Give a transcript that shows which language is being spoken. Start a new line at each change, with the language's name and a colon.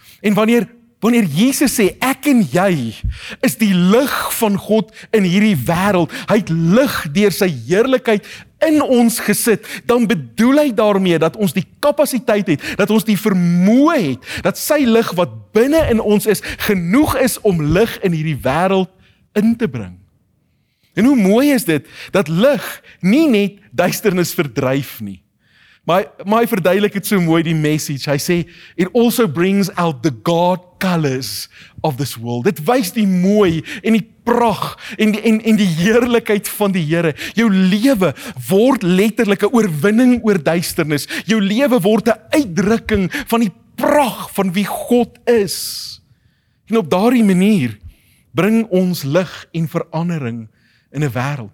Afrikaans: En wanneer Jesus sê, ek en jy is die lig van God in hierdie wêreld, hy het lig deur sy heerlikheid in ons gesit, dan bedoel hy daarmee dat ons die kapasiteit het, dat ons die vermoë het, dat sy lig wat binne in ons is, genoeg is om lig in hierdie wêreld in te bring. En hoe mooi is dit, dat lig nie net duisternis verdryf nie. Maar hy verduidelik het so mooi die message. Hy sê,
English: it also brings out the God colors of this world.
Afrikaans: Dit wys die mooi en die prag en die heerlikheid van die Here. Jou lewe word letterlik 'n oorwinning oor duisternis. Jou lewe word 'n uitdrukking van die prag van wie God is. En op daardie manier bring ons lig en verandering in 'n wêreld.